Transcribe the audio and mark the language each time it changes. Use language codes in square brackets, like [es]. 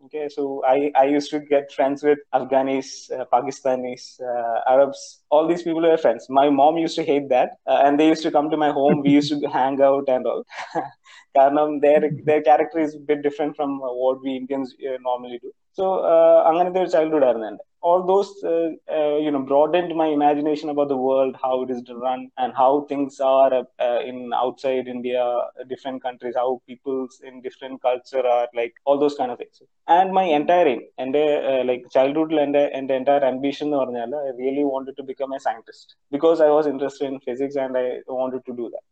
[en] Okay, so I used to get friends with Afghanis, Pakistanis, Arabs. All these people were friends. My mom used to hate that, and they used to come to my home. We used to hang out and all. Karnam, their character is a bit different from what we Indians normally do. [ml] So, അങ്ങനത്തെ ഒരു childhood ആയിരുന്നു എൻ്റെ. [en] All those, broadened my imagination about the world, how it is run and how things are in outside India, different countries, how peoples in different culture are, like all those kind of things. And my entire aim, childhood and the entire ambition, I really wanted to become a scientist because I was interested in physics and I wanted to do that.